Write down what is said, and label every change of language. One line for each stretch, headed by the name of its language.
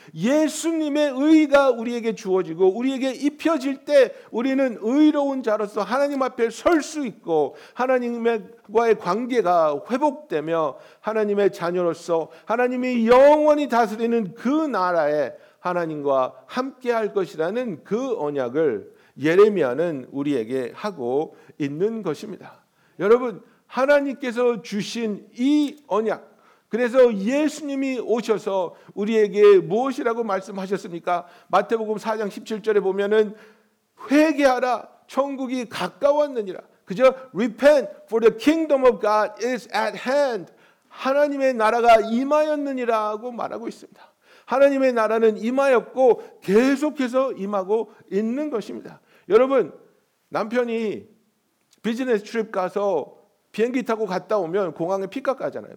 Korean: 예수님의 의가 우리에게 주어지고 우리에게 입혀질 때 우리는 의로운 자로서 하나님 앞에 설 수 있고 하나님과의 관계가 회복되며 하나님의 자녀로서 하나님이 영원히 다스리는 그 나라에 하나님과 함께 할 것이라는 그 언약을 예레미야는 우리에게 하고 있는 것입니다. 여러분, 하나님께서 주신 이 언약, 그래서 예수님이 오셔서 우리에게 무엇이라고 말씀하셨습니까? 마태복음 4장 17절에 보면은 회개하라, 천국이 가까웠느니라. 그저
English: repent for the kingdom of God is at hand.
Korean: 하나님의 나라가 임하였느니라고 말하고 있습니다. 하나님의 나라는 임하였고 계속해서 임하고 있는 것입니다. 여러분, 남편이 비즈니스 트립 가서 비행기 타고 갔다 오면 공항에 픽업 가잖아요.